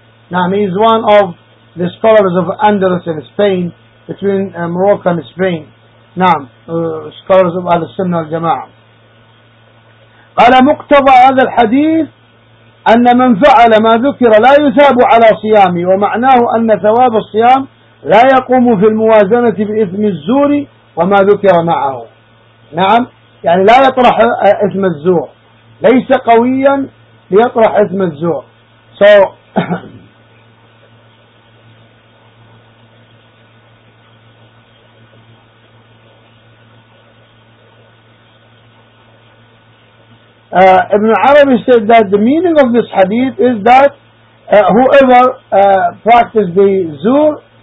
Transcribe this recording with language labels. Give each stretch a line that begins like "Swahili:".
English: نعم, he is one of the scholars of Andalus in Spain, between Morocco and Spain.
Arabic: نعم,
English: scholars of
Arabic: أهل السنة والجماعة. قال مقتضى هذا الحديث أن من فعل ما ذكر لا يثاب على صيامه, ومعناه أن ثواب الصيام لا يقوم في الموازنة بإثم الزور وما ذكر معه. نعم, يعني لا يطرح إثم الزور, ليس قويا ليطرح إثم الزور.
English: So Ibn Arabi said that the meaning of this hadith is that whoever practiced the zur,